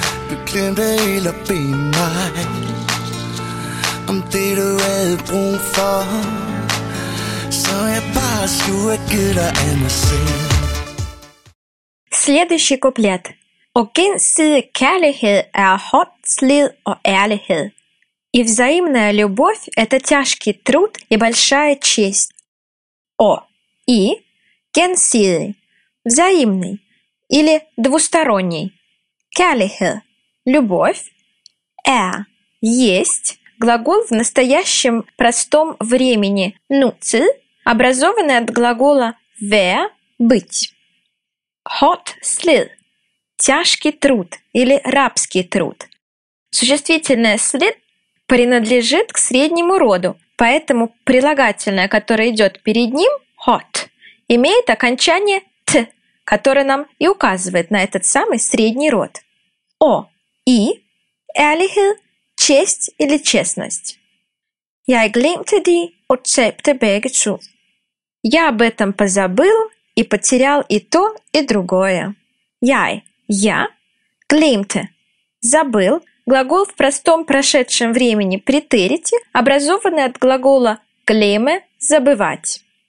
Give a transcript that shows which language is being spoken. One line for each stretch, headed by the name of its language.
Danish: Du glemte helt at bede mig om det du havde brug for. Så jeg bare skulle have givet dig af mig selv.
Russian: Следующий куплет.
Danish: Og gensidig kærlighed er hårdt slid og ærlighed.
Russian: И взаимная любовь – это тяжкий труд и большая честь. О. И.
Danish: Gensidig.
Russian: Взаимный. Или двусторонний.
Danish: Kærlighed
Russian: – любовь. Er – есть. Глагол в настоящем простом времени nutid, образованный от глагола være – быть.
Danish: Hot slid
Russian: – тяжкий труд или рабский труд. Существительное slid принадлежит к среднему роду, поэтому прилагательное, которое идет перед ним, hot, имеет окончание t, который нам и указывает на этот самый средний род. О, и,
Danish: ærlighed,
Russian: честь или честность.
Danish: Jeg glemte de og tabte begge to.
Russian: Я об этом позабыл и потерял и то, и другое.
Danish: Jeg,
Russian: я, glemte, забыл, глагол в простом прошедшем времени претерите, образованный от глагола glemme, забывать.